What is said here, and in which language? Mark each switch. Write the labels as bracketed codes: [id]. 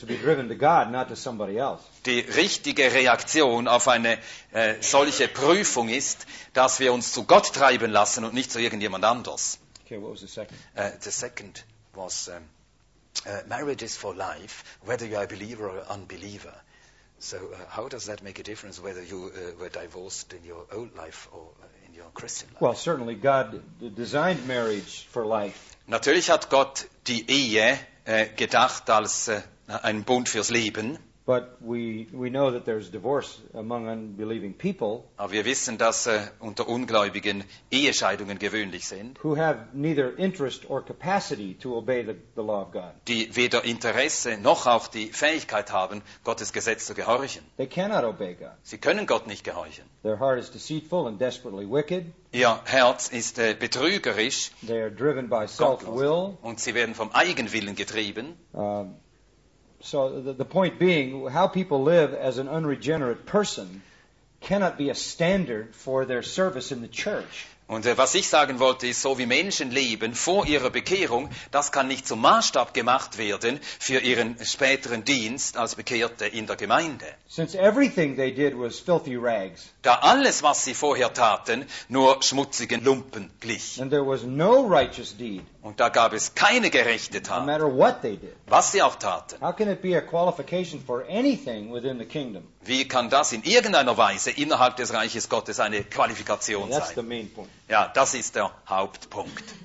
[de] Die richtige Reaktion auf eine solche Prüfung ist, dass wir uns zu Gott treiben lassen und nicht zu irgendjemand anders. [en] Okay, what was the second? The second was marriage is for life, whether you are a believer or unbeliever. So how does that make a difference whether you were divorced in your old life or in your Christian life? Well, certainly God designed marriage for life. [de] Natürlich hat Gott die Ehe gedacht als ein Bund fürs Leben. [en] But we know that there's divorce among unbelieving people. [de] Aber wir wissen, dass unter Ungläubigen Ehescheidungen gewöhnlich sind. [en] Who have neither interest or capacity to obey the law of God. [de] Die weder Interesse noch auch die Fähigkeit haben, Gottes Gesetz zu gehorchen. [en] They cannot obey God. [de] Sie können Gott nicht gehorchen. [en] Their heart is deceitful and desperately wicked. [de] Ihr Herz ist betrügerisch. [en] They are driven by self-will. [de] Und sie werden vom Eigenwillen getrieben. [en] So the point being, how people live as an unregenerate person cannot be a standard for their service in the church. [de] Und was ich sagen wollte, ist, so wie Menschen leben vor ihrer Bekehrung, das kann nicht zum Maßstab gemacht werden für ihren späteren Dienst als Bekehrte in der Gemeinde. [en] Since everything they did was filthy rags. [de] Da alles, was sie vorher taten, nur schmutzigen Lumpen glich. [en] And there was no righteous deed. [de] Und da gab es keine gerechte Tat. [en] No matter what they did. [de] Was sie auch taten. [en] How can it be a qualification for anything within the kingdom? [de] Wie kann das in irgendeiner Weise innerhalb des Reiches Gottes eine Qualifikation sein? [en] That's the main point. [de] Ja, das ist der Hauptpunkt.